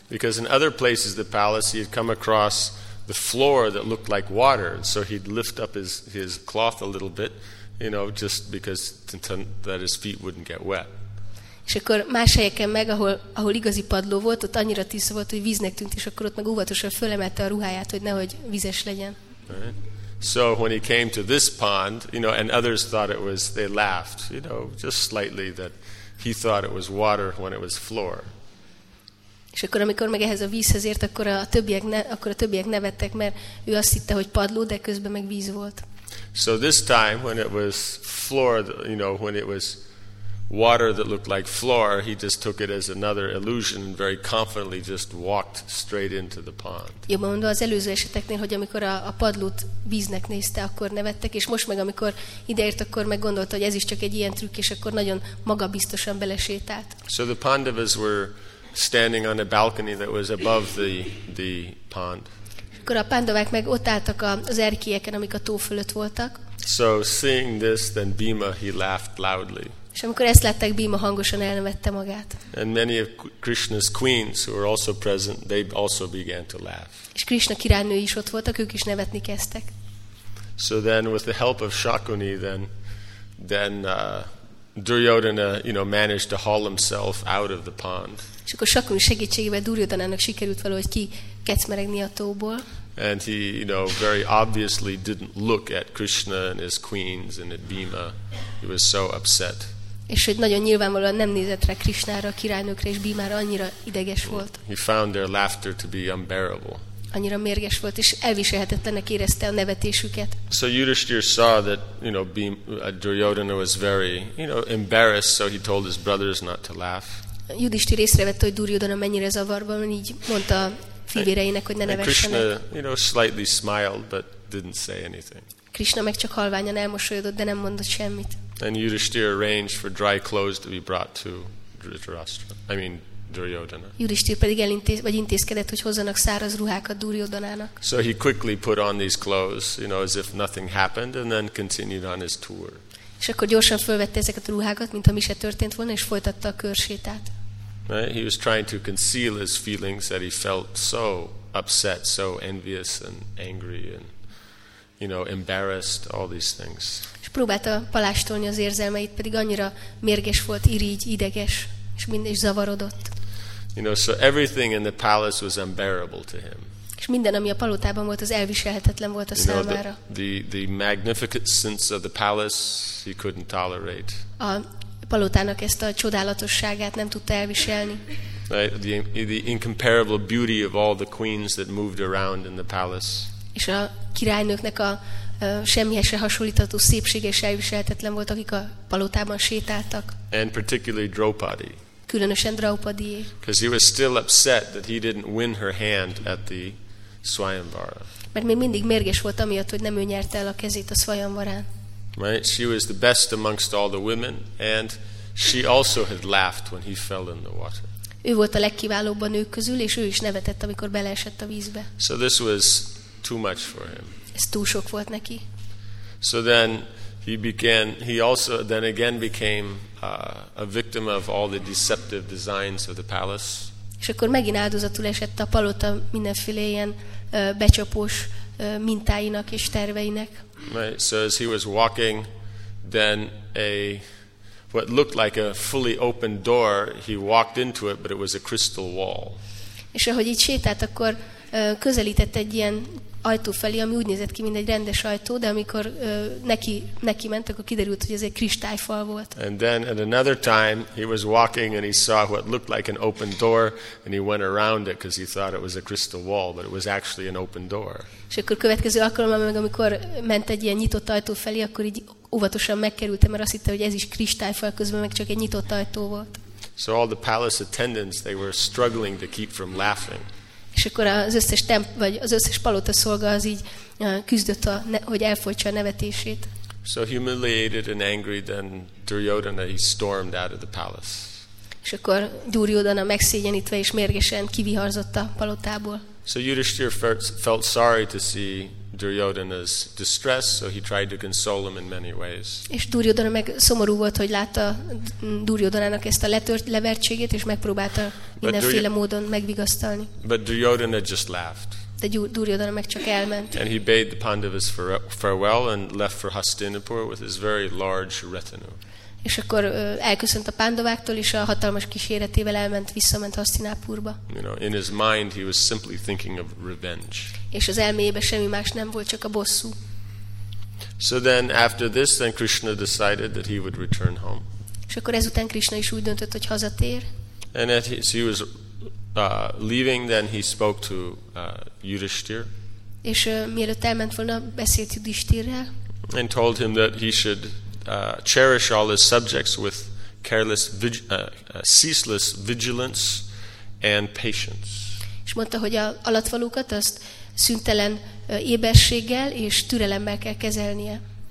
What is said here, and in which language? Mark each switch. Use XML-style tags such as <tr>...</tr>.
<en>Because in other places the palace he had come across the floor that looked like water, so he'd lift up his cloth a little bit, you know, just because that his feet wouldn't get wet.</en> <hu>És akkor más helyeken meg, ahol igazi padló volt, ott annyira tiszta volt, hogy víznek tűnt, és akkor ott meg óvatosan fölemelte a ruháját, hogy nehogy vizes legyen.</hu> <en>So when he came to this pond, you know, and others thought it was, they laughed, you know, just slightly that he thought it was water when it was floor.</en> <hu>És akkor amikor meg ehhez a vízhez ért, akkor a többiek nevettek, mert ő azt hitte, hogy padló, de közben meg víz volt.</hu> <en>So this time when it was floor, you know, when it was water that looked like floor, he just took it as another illusion and very confidently just walked straight into the pond.</en> <hu>Jó, mondom, az előző eseteknél, hogy amikor a padlót víznek nézte, akkor nevettek, és most meg amikor ideért, akkor meg gondolta, hogy ez is csak egy ilyen trükk, és akkor nagyon magabiztosan belesétált.</hu> <en>So the Pandavas were standing on a balcony that was above the pond.</en> <hu>Akkor a Pandavák meg ott álltak az erkélyeken, amik a tó fölött voltak.</hu> <en>So seeing this, then Bhima, he laughed loudly.</en> <hu>És amikor ezt látták, Bhima hangosan elnevette magát.</hu> <en>And many of Krishna's queens who were also present, they also began to laugh.</en> <hu>És Krishna királynői is ott voltak, ők is nevetni kezdtek.</hu> <en>So then with the help of Shakuni, then Duryodhana, you know, managed to haul himself out of the pond.</en> <hu>És akkor Shakuni segítségével Duryodhanának sikerült valahogy kikecmeregni a tóból.</hu> <en>And he, you know, very obviously didn't look at Krishna and his queens and at Bhima. He was so upset.</en> <hu>És hogy nagyon nyilvánvalóan nem nézett rá Krishnára, a királynőkre és Bhimára, annyira ideges volt.</hu> <en>He found their laughter to be unbearable.</en> <hu>Annyira mérges volt, és elviselhetetlennek érezte a nevetésüket.</hu> <en>So Yudhishthir saw that, you know, Duryodhana was very, you know, embarrassed, so he told his brothers not to laugh.</en> <hu>Yudhishthir észrevette, hogy Duryodhana mennyire zavarban, így mondta fivéreinek, hogy ne nevessenek.</hu> <en>Krishna, you know, slightly smiled, but didn't say anything.</en> <hu>Krishna meg csak halványan elmosolyodott, de nem mondott semmit.</hu> <en>And Yudhishthir arranged for dry clothes to be brought to Dhritarashtra. I mean, Duryodhana.</en> <hu>Yudhishthir pedig intézkedett, hogy hozzanak száraz ruhákat Duryodhanának.</hu> <en>So he quickly put on these clothes, you know, as if nothing happened, and then continued on his tour.</en> <hu>És akkor gyorsan fölvette ezeket a ruhákat, mintha mi se történt volna, és folytatta a körsétát.</hu> <en>Right? He was trying to conceal his feelings that he felt so upset, so envious and angry and, you know, embarrassed, all these things.</en> <hu>És próbálta palástolni az érzelmeit, pedig annyira mérges volt, irigy, ideges, és mindig zavarodott.</hu> <en>You know, so everything in the palace was unbearable to him.</en> <hu>És minden, ami a palotában volt, az elviselhetetlen volt a számára.</hu> <en>The magnificence of the palace he couldn't tolerate.</en> <hu>A palotának ezt a csodálatosságát nem tudta elviselni.</hu> <en>Right, the incomparable beauty of all the queens that moved around in the palace.</en> <hu>És a királynőknek a semmihez se hasonlítható szépsége is elviselhetetlen volt, akik a palotában sétáltak.</hu> <en>And particularly Draupadi.</en> <hu>Különösen Draupadi.</hu> <en>Because he was still upset that he didn't win her hand at the Swayamvara.</en> <hu>mert még mindig mérges volt amiatt, hogy nem ő nyerte el a kezét a Svayamvarán.</hu> <en>Right? She was the best amongst all the women, and she also had laughed when he fell in the water.</en> <hu>Ő volt a legkiválóbb a nők közül, és ő is nevetett, amikor beleesett a vízbe.</hu> <en>So this was too much for him.</en> <hu>Ez túl sok volt neki.</hu> <en>So then he also became a victim of all the deceptive designs of the palace.</en> <hu>És akkor megint áldozatul esett a palota mindenféle ilyen becsapós mintáinak és terveinek.</hu> <en>Right. So as he was walking, then what looked like a fully open door, he walked into it, but it was a crystal wall.</en> <hu>És ahogy így sétált, akkor közelített egy ilyen ajtó felé, ami úgy nézett ki, mint egy rendes ajtó, de amikor neki ment, akkor kiderült, hogy ez egy kristályfal volt.</hu> <en>And then at another time, he was walking and he saw what looked like an open door, and he went around it because he thought it was a crystal wall, but it was actually an open door.</en> <hu>És akkor következő alkalommal, meg amikor ment egy ilyen nyitott ajtó felé, akkor így óvatosan megkerültem, mert azt hitte, hogy ez is kristályfal, közben meg csak egy nyitott ajtó volt.</hu> <en>So all the palace attendants, they were struggling to keep from laughing.</en> <hu>És akkor az összes palota szolga az így küzdött, hogy elfolytsa a nevetését.</hu> <en>So humiliated and angry, then Duryodhana, he stormed out of the palace.</en> <hu>És akkor Duryodhana megszégyenítve és mérgesen kiviharzott a palotából.</hu> <en>So Yudhishthira felt sorry to see Duryodhana's distress, so he tried to console him in many ways.</en> <hu>És Duryodhana meg szomorú volt, hogy látta Duryodhanának ezt a levertségét, és megpróbálta mindenféle módon megvigasztalni.</hu> <en>But Duryodhana just laughed.</en> <hu>De Duryodhana meg csak elment.</hu> <en>And he bade the Pandavas farewell and left for Hastinapur with his very large retinue.</en> <hu>És akkor elköszönt a Pándováktól, és a hatalmas kíséretével visszament Hastinapurba.</hu> <en>You know, in his mind he was simply thinking of revenge.</en> <hu>És az elméjében semmi más nem volt, csak a bosszú.</hu> <en>So then after this, then Krishna decided that he would return home.</en> <hu>És akkor ezután Krishna is úgy döntött, hogy hazatér.</hu> <en>And as he was leaving, then he spoke to Yudhishthira.</en> <hu>És mielőtt elment volna, beszélt Yudhishthirrel.</hu> <en>And told him that he should cherish all his subjects with careless ceaseless vigilance and patience.</en> <hu>És mondta, hogy a alattvalókat azt szüntelen éberséggel és türelemmel kell kezelnie.</hu>